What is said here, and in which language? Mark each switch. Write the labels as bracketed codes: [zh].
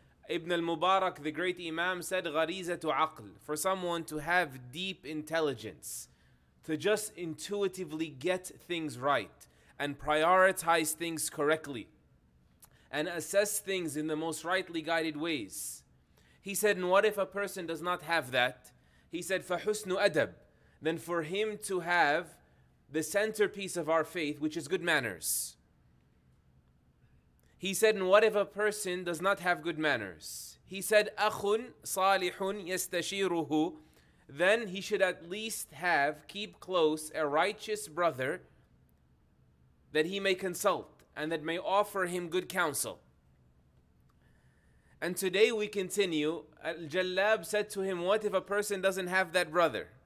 [en] Ibn al-Mubarak, the great Imam, said, [ar] gharizatu aql, [en] for someone to have deep intelligence, to just intuitively get things right and prioritize things correctly and assess things in the most rightly guided ways. He said, and what if a person does not have that? He said, [ar] فَحُسْنُ adab. [en] Then for him to have the centerpiece of our faith, which is good manners. He said, and what if a person does not have good manners? [ar] He said, أَخٌ صَالِحٌ يَسْتَشِيرُهُ. [en] Then he should at least have, keep close, a righteous brother that he may consult and that may offer him good counsel. And today we continue. Al-Jallab said to him, what if a person doesn't have that brother?